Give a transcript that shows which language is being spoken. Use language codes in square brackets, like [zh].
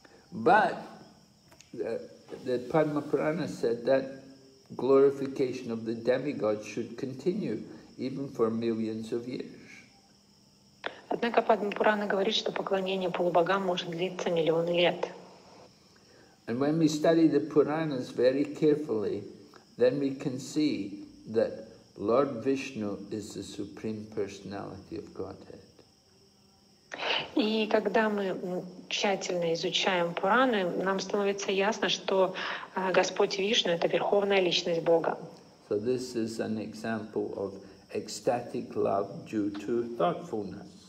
[en] But the Padma Purana said that glorification of the demigod should continue even for millions of years. [ru] Однако Падма Пурана говорит, что поклонение полубогам может длиться миллионы лет. [en] And when we study the Puranas very carefully, then we can see that Lord Vishnu is the Supreme Personality of Godhead. [ru] И когда мы тщательно изучаем Пураны, нам становится ясно, что Господь Вишну — это Верховная Личность Бога. [en] So this is an example of ecstatic love due to thoughtfulness.